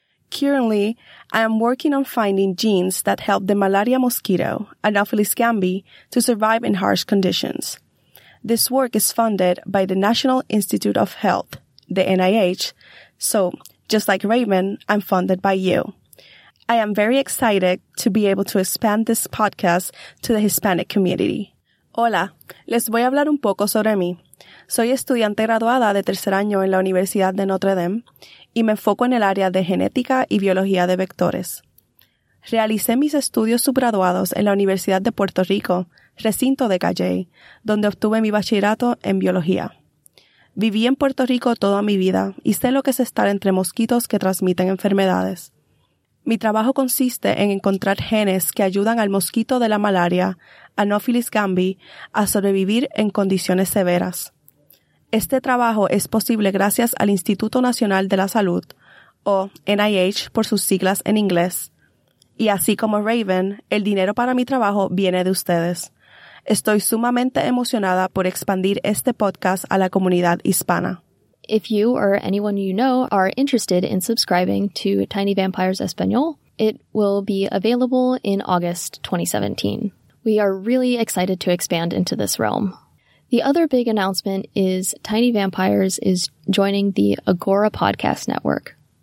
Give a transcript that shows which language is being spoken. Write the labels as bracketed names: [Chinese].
[English] Currently, I am working on finding genes that help the malaria mosquito, Anopheles gambi, to survive in harsh conditions. This work is funded by the National Institute of Health, the NIH, so just like Raven, I'm funded by you. I am very excited to be able to expand this podcast to the Hispanic community. [Spanish] Hola, les voy a hablar un poco sobre mí. Soy estudiante graduada de tercer año en la Universidad de Notre Dame y me enfoco en el área de genética y biología de vectores. Realicé mis estudios subgraduados en la Universidad de Puerto Rico, recinto de Calley, donde obtuve mi bachillerato en biología. Viví en Puerto Rico toda mi vida y sé lo que es estar entre mosquitos que transmiten enfermedades. Mi trabajo consiste en encontrar genes que ayudan al mosquito de la malaria, Anopheles gambi, a sobrevivir en condiciones severas. Este trabajo es posible gracias al Instituto Nacional de la Salud, o NIH por sus siglas en inglés. Y así como Raven, el dinero para mi trabajo viene de ustedes. Estoy sumamente emocionada por expandir este podcast a la comunidad hispana. [English] If you or anyone you know are interested in subscribing to Tiny Vampires Español, it will be available in August 2017. We are really excited to expand into this realm. The other big announcement is Tiny Vampires is joining the Agora Podcast Network.